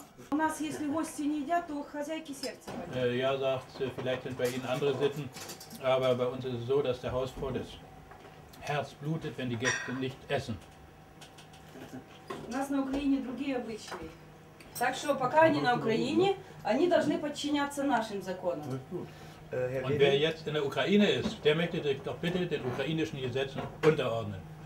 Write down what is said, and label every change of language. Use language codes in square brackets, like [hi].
[ru] У нас, если гости не едят, то хозяйки сердце. [de] Я sagt, vielleicht sind bei ihnen andere Sitten, aber bei uns ist es so, dass der Hausfrau das Herz blutet, wenn die Gäste nicht essen. [ru] У нас на Украине другие обычаи. Так что пока они на Украине, они должны подчиняться нашим законам. [de] Und wer jetzt in der Ukraine ist, der möchte sich doch bitte den ukrainischen Gesetzen unterordnen.